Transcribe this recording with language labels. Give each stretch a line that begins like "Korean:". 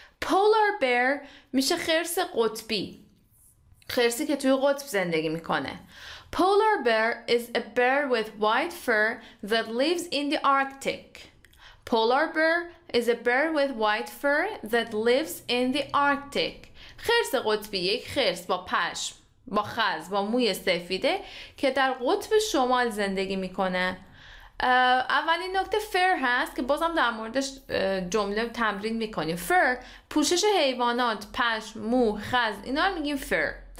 Persian: Polar bear میشه خرس قطبی. خرسی که توی قطب زندگی میکنه.
English: Polar bear is a bear with white fur that lives in the Arctic. Polar bear is a bear with white fur that lives in the Arctic.
Persian: خرس قطبی یک خرس با پشم، با خز، با موی سفیده که در قطب شمال زندگی میکنه. اولین نکته fur هست که بازم در موردش جمله تمرین میکنیم. Fur، پوشش حیوانات، پشم، مو، خز، اینا رو میگیم fur.